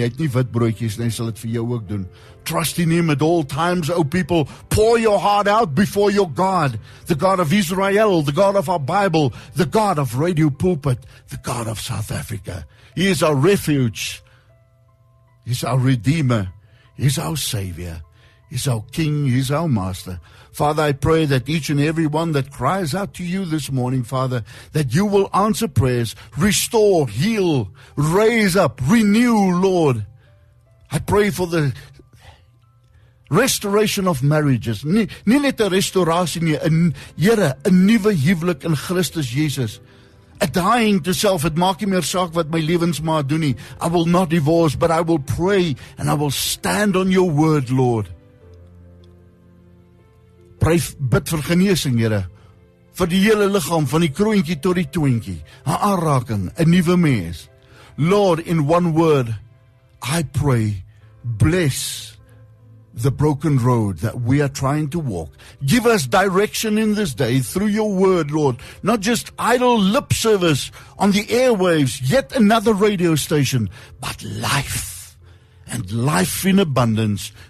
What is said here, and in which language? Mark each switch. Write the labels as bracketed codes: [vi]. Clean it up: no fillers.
[af] Ek nie wit broodjies nie, sal dit vir jou ook doen. [en] Trust in Him at all times, O people. Pour your heart out before your God, the God of Israel, the God of our Bible, the God of Radio Pulpit, the God of South Africa. He is our refuge. He's our Redeemer. He's our Savior. He's our King. He's our Master. Father, I pray that each and every one that cries out to you this morning, Father, that you will answer prayers, restore, heal, raise up, renew, Lord. I pray for the restoration of marriages. [af] Nie net 'n restaurasie nie, Here, 'n nuwe huwelik in Christus Jesus. [en] A dying to self, [af] it maak nie meer saak wat my lewensmaat doen nie. [en] I will not divorce, but I will pray and I will stand on your word, Lord. [af] Pray, bid vir genesing, Here. Vir die hele liggaam, van die kroontjie tot die toontjie. 'N aanraking, 'n nuwe mens. [en] Lord, in one word, I pray, bless the broken road that we are trying to walk. Give us direction in this day through your word, Lord. Not just idle lip service on the airwaves, yet another radio station, but life and life in abundance.